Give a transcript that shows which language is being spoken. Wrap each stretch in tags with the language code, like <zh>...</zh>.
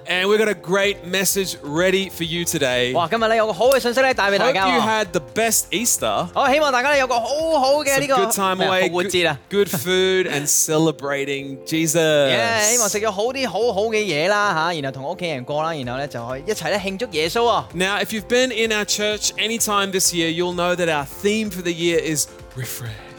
<en>And we've got a great message ready for you today.</en> <zh>哇,今天有个好的信息带给大家。</zh> <en>Hope you had the best Easter.</en> <zh>希望大家有个好好的这个...</zh> <en>Good time away, good food and celebrating Jesus.</en> <zh>Yeah, 希望吃了好些好好的东西啦, 然后跟家人过啦, 然后就一起庆祝耶稣啊。</zh> <en>Now, if you've been in our church anytime this year, you'll know that our theme for the year is refresh.</en>